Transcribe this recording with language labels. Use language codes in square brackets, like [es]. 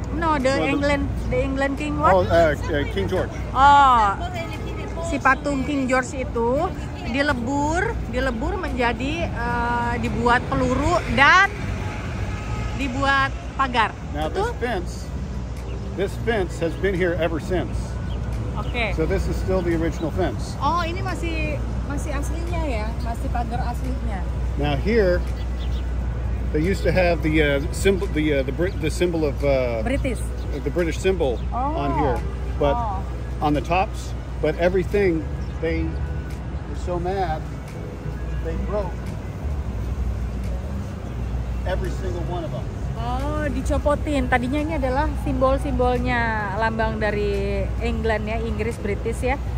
[en] No, the England King what? Oh, King George. Oh. [id] Si patung King George itu dilebur menjadi dibuat peluru dan dibuat pagar. [en] Now [id] itu? [en] This fence has been here ever since. Okay. So this is still the original fence. [id] Oh, ini masih aslinya ya, masih pagar aslinya. [en] Now here they used to have the symbol of British. The British symbol on here. But on the tops, but everything they so mad they broke every single one of them. [id] Oh, dicopotin. Tadinya ini adalah simbol-simbolnya lambang dari England ya, Inggris, British ya.